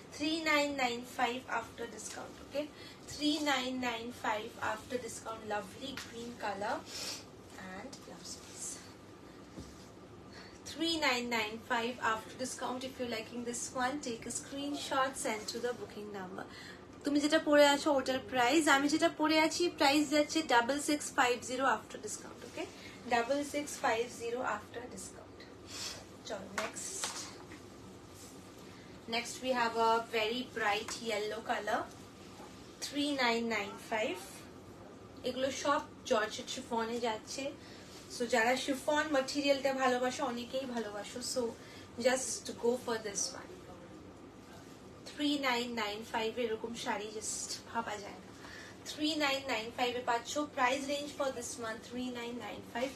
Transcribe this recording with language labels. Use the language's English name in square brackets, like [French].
[English] 3995 after discount. Okay 3995 after discount. Lovely green colour and blouse piece 3995 after discount. If you liking this one take a screenshot send to the booking number. [Bangla] তুমি যেটা পরে আছো ওটার price. আমি যেটা পরে আছি প্রাইস যাচ্ছে 6650 [English] After discount. Okay 6650 after discount. চলো next. Next we have a very bright yellow color, 3995. [Bangla] এগুলো সব জর্জেট শিফনে যাচ্ছে. সো যারা শিফন মেটেরিয়ালটা ভালোবাসো অনেকেই ভালোবাসো. [English] So just go for this one 3995. [Bangla] এরকম শাড়ি জাস্ট ভাবা যায় না. 3995 এ পাচ্ছো. [English] Price range for this one 3995.